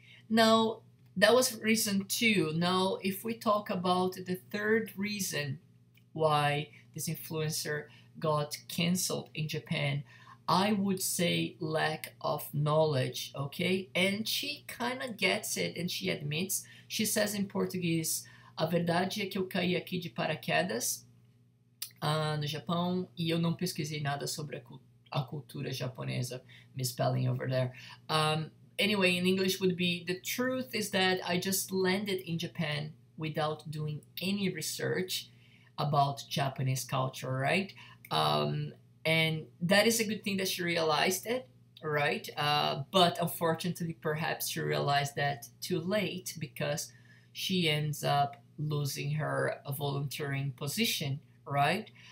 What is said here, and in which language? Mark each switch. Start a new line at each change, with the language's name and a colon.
English: Now, that was reason two. Now, if we talk about the third reason why this influencer got canceled in Japan, I would say lack of knowledge, okay? And she kind of gets it, and she admits. She says in Portuguese,
Portuguese: a verdade é que eu caí aqui de paraquedas no Japão e eu não pesquisei nada sobre a cultura japonesa.
English: Misspelling over there. Anyway, in English would be, the truth is that I just landed in Japan without doing any research about Japanese culture, right? And that is a good thing that she realized it, right? But unfortunately, perhaps she realized that too late, because she ends up losing her volunteering position, right?